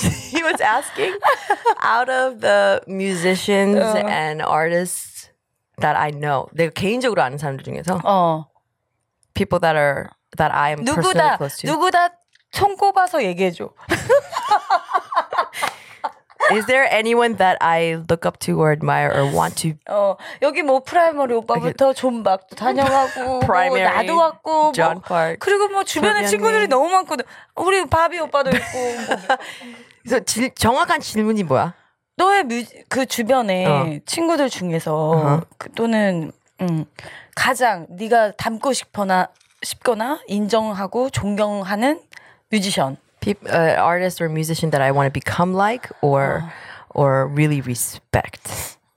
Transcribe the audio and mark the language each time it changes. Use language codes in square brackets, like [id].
[en] He was asking out of the musicians and artists that I know. [ko] 내가 개인적으로 아는 사람들 중에서. [en] People that are that I am [ko] 누구다, [en] personally close to. [ko] 누구다? 손꼽아서 얘기해줘. [en] Is there anyone that I look up to or admire or want to? [ko] 여기 뭐 프라이머리 오빠부터 존박도 다녀가고 프라이머리 뭐 나도 왔고 존 뭐, 파크 그리고 뭐 주변에 친구들이 너무 많거든. 우리 바비 오빠도 있고 뭐. 그래서 정확한 질문이 뭐야? 너의 그 주변에 친구들 중에서 그 또는 가장 네가 닮고 싶거나 인정하고 존경하는 뮤지션, [en] artist or musician that I want to become like or or really respect.